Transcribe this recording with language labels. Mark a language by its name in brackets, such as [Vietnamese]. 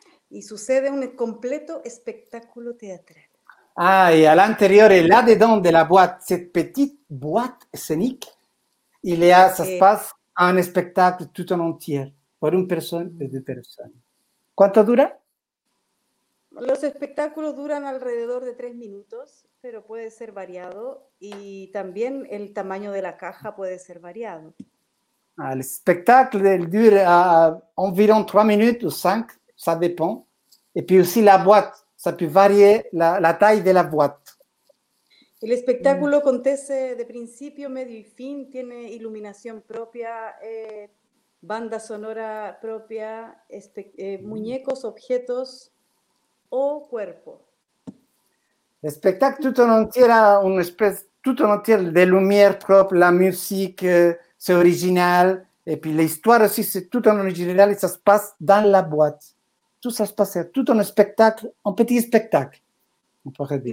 [French] Il succède un [Spanish] completo [French] spectacle théâtral. Ah, et à l'intérieur, et là-dedans de la boîte, cette petite boîte scénique, il y a, ça se passe un spectacle tout en entier, pour une personne et deux personnes. [Spanish] Quanto dura? Los espectáculos duran alrededor de 3 minutos, pero puede ser variado, y también el tamaño de la caja puede ser variado. [French] Ah, le spectacle dure environ 3 minutes ou 5, ça dépend. Et puis aussi la boîte, ça peut varier la taille de la boîte. [Spanish] El espectáculo acontece de principio, medio y fin, tiene iluminación propia, banda sonora propia, muñecos, objetos o cuerpo. El espectáculo [French] tout en entier a una espèce tout en entier de lumière propre, la musique, c'est original, et puis l'histoire aussi c'est tout en original et ça se passe dans la boîte. Tout ça se passait, tout un spectacle, un petit spectacle, on pourrait dire.